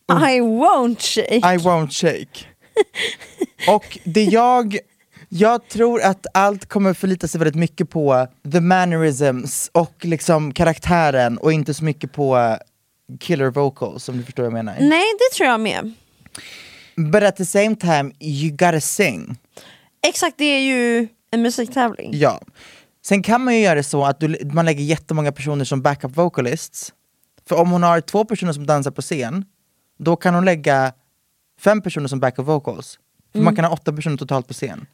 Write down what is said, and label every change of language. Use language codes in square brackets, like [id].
[en] I won't shake. I won't shake. [sv] Och det jag tror att allt kommer förlita sig väldigt mycket på [en] the mannerisms [sv] och liksom karaktären och inte så mycket på [en] killer vocals, [sv] om du förstår vad jag menar. Nej, det tror jag med. [en] But at the same time, you gotta sing. [sv] Exakt, det är ju en musiktävling. Ja. Sen kan man ju göra det så att man lägger jättemånga personer som backup vocalists. För om hon har två personer som dansar på scen, då kan hon lägga fem personer som backup vocals. För man kan ha åtta personer totalt på scen.